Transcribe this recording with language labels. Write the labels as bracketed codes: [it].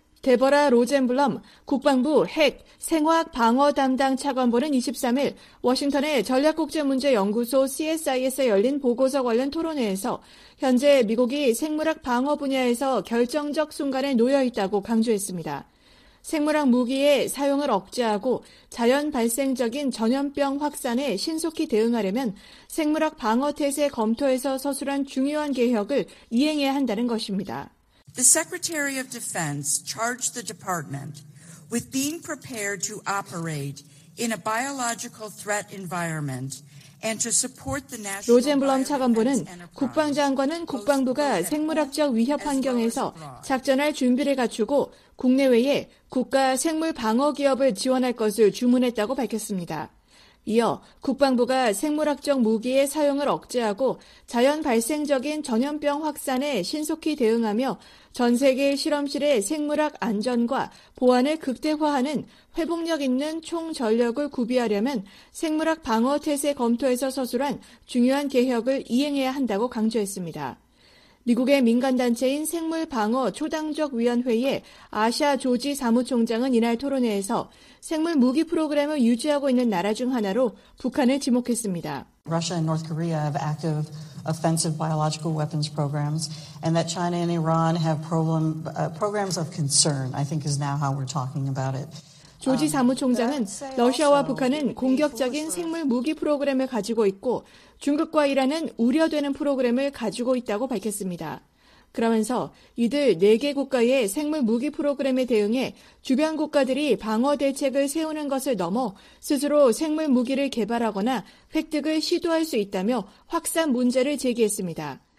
[ko] 데버라 로젠블럼 국방부 핵 생화학 방어 담당 차관보는 23일 워싱턴의 전략국제문제연구소 CSIS에 열린 보고서 관련 토론회에서 현재 미국이 생물학 방어 분야에서 결정적 순간에 놓여있다고 강조했습니다. 생물학 무기의 사용을 억제하고 자연 발생적인 전염병 확산에 신속히 대응하려면 생물학 방어 태세 검토에서 서술한 중요한 개혁을 이행해야 한다는 것입니다. [en] The Secretary of Defense charged the department with being prepared to operate in a biological threat environment and to support the national. [ko] 로젠블럼 차관보는 국방장관은 국방부가 생물학적 위협 환경에서 작전할 준비를 갖추고 국내외에 국가 생물 방어 기업을 지원할 것을 주문했다고 밝혔습니다. 이어 국방부가 생물학적 무기의 사용을 억제하고 자연 발생적인 전염병 확산에 신속히 대응하며 전 세계 실험실의 생물학 안전과 보안을 극대화하는 회복력 있는 총 전력을 구비하려면 생물학 방어 태세 검토에서 서술한 중요한 개혁을 이행해야 한다고 강조했습니다. 미국의 민간단체인 생물방어초당적위원회의 아샤 조지 사무총장은 이날 토론회에서 생물무기 프로그램을 유지하고 있는 나라 중 하나로 북한을 지목했습니다. [en] Russia and North Korea have active offensive biological weapons programs, and that China and Iran have programs of concern, I think is now how we're talking about it. [ko] 조지 사무총장은 러시아와 북한은 공격적인 생물무기 프로그램을 가지고 있고 중국과 이란은 우려되는 프로그램을 가지고 있다고 밝혔습니다. 그러면서 이들 4개 국가의 생물무기 프로그램에 대응해 주변 국가들이 방어 대책을 세우는 것을 넘어 스스로 생물무기를 개발하거나 획득을 시도할 수 있다며 확산 문제를 제기했습니다.